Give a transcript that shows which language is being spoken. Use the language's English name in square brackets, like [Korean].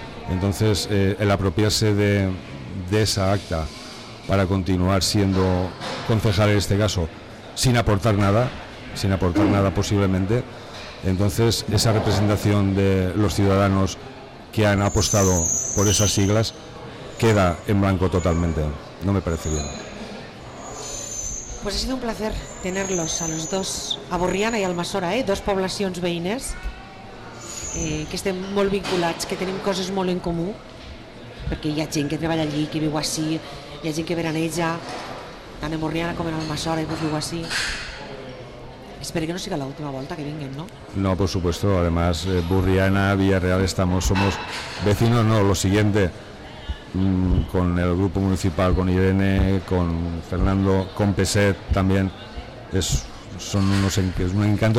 [Spanish] Entonces, el apropiarse de esa acta para continuar siendo concejal en este caso, sin aportar nada posiblemente, entonces esa representación de los ciudadanos que han apostado por esas siglas queda en blanco totalmente. No me parece bien. Pues ha sido un placer tenerlos a los dos, [Catalan] a Borriana i Almassora, dos poblacions veïnes, que estem molt vinculats, que tenim coses molt en comú, perquè hi ha gent que treballa allí, que viu així, hi ha gent que veraneja, tant en Borriana com en Almassora, que viu així. Espero que no siga la última volta que vinguem, no? [Spanish] No, por supuesto, además, Borriana, Villarreal, somos vecinos, no, lo siguiente, con el grupo municipal, con Irene, con Fernando, con Peset también, es un encanto.